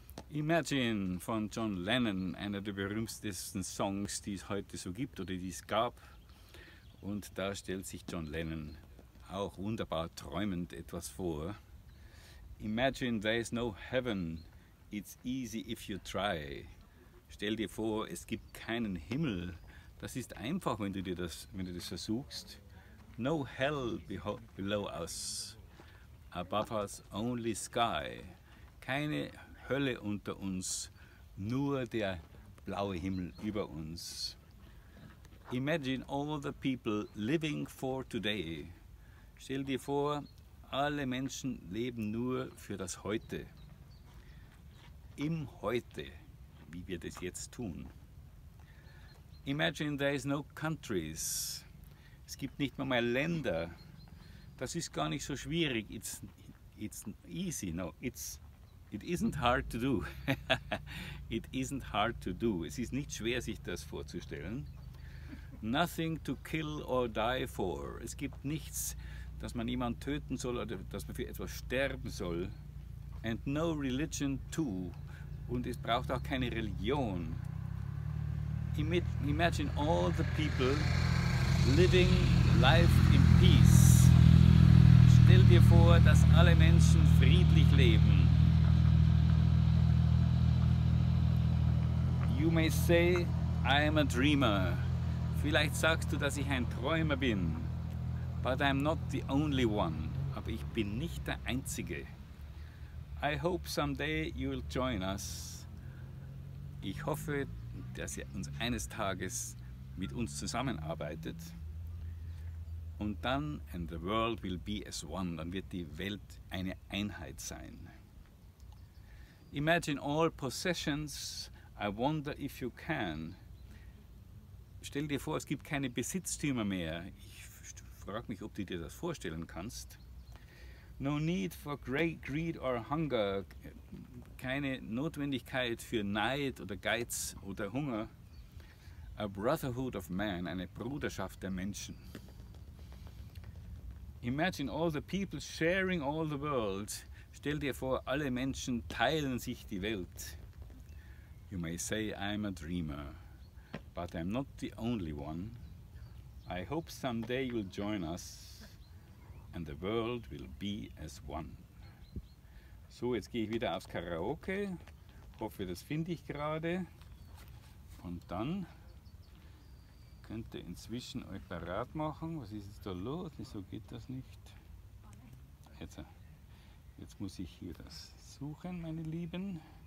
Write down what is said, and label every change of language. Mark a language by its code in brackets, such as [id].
[de] Imagine von John Lennon, einer der berühmtesten Songs, die es heute so gibt oder die es gab. Und da stellt sich John Lennon auch wunderbar träumend etwas vor. [en] Imagine there is no heaven, it's easy if you try. [de] Stell dir vor, es gibt keinen Himmel. Das ist einfach, wenn du das versuchst. [en] No hell below us, above us only sky. [de] Keine Hölle unter uns, nur der blaue Himmel über uns. [en] Imagine all the people living for today. [de] Stell dir vor, alle Menschen leben nur für das Heute. Im Heute, wie wir das jetzt tun. [en] Imagine there is no countries. [de] Es gibt nicht mehr Länder. Das ist gar nicht so schwierig. [en] It's easy. No, it isn't hard to do. [de] Es ist nicht schwer, sich das vorzustellen. [en] Nothing to kill or die for. [de] Es gibt nichts, dass man jemanden töten soll oder dass man für etwas sterben soll. [en] And no religion too. [de] Und es braucht auch keine Religion. [en] Imagine all the people living life in peace. [de] Stell dir vor, dass alle Menschen friedlich leben. [en] You may say, I am a dreamer. [de] Vielleicht sagst du, dass ich ein Träumer bin. [en] But I'm not the only one. [de] Aber ich bin nicht der Einzige. [en] I hope someday you will join us. [de] Ich hoffe, dass ihr uns eines Tages mit uns zusammenarbeitet. Und dann, [en] and the world will be as one. [de] Dann wird die Welt eine Einheit sein. [en] Imagine all possessions. I wonder if you can. [de] Stell dir vor, es gibt keine Besitztümer mehr. Ich frage mich, ob du dir das vorstellen kannst. [en] No need for greed or hunger. [de] Keine Notwendigkeit für Neid oder Geiz oder Hunger. [en] A brotherhood of man, [de] eine Bruderschaft der Menschen. [en] Imagine all the people sharing all the world. [de] Stell dir vor, alle Menschen teilen sich die Welt. [en] You may say I'm a dreamer. But I'm not the only one. I hope someday you'll join us and the world will be as one. [de] So, jetzt gehe ich wieder aufs Karaoke. Hoffe, das finde ich gerade. Und dann könnt ihr inzwischen euch parat machen. Was ist jetzt da los? Wieso geht das nicht? Jetzt muss ich hier das suchen, meine Lieben.